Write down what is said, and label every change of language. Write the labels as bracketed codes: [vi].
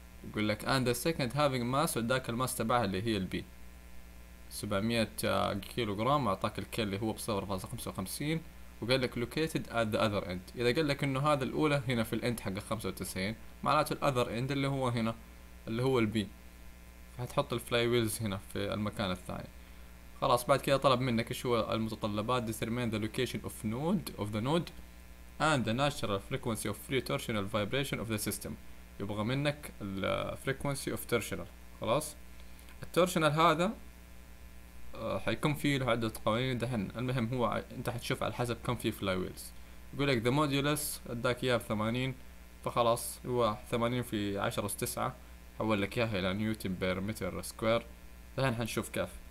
[ar] يقول لك [en] and the second having mass [ar] اداك الماس تبعها اللي هي ال b 700 كيلو جرام، واعطاك ال k اللي هو ب 0.55، وقال لك [en] located at the other end. [ar] اذا قال لك انه هذا الاولى هنا في الاند حق 95، معناته الاذر اند اللي هو هنا اللي هو البي، فهتحط الفلاي ويلز هنا في المكان الثاني. خلاص بعد كده طلب منك ايش هو المتطلبات. [en] determine the location of node of the node and the natural frequency of free torsional vibration of the system. [ar] يبغى منك ال [en] frequency of torsional. [ar] خلاص التورشنال هذا حيكون فيه له عدة قوانين دحين، المهم هو انت حتشوف على حسب كم فيه فلاي ويلز. يقول لك ذا مودولس اداك اياه ب80، فخلاص هو 80 × 10^9 حول لك اياها الى نيوتن بير متر سكوير، دحين حنشوف كيف.